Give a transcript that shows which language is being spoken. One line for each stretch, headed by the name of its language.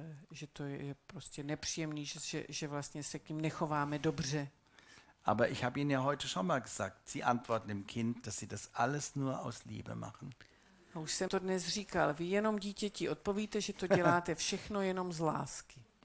Czech: Že to je prostě nepříjemný, že vlastně se k ním nechováme dobře.
German: Aber ich habe Ihnen ja heute schon mal gesagt, Sie antworten dem Kind, dass Sie das alles nur aus Liebe machen.
Czech: A už jsem to dnes říkal. Vy jenom dítěti odpovíte, že to děláte všechno jenom z lásky.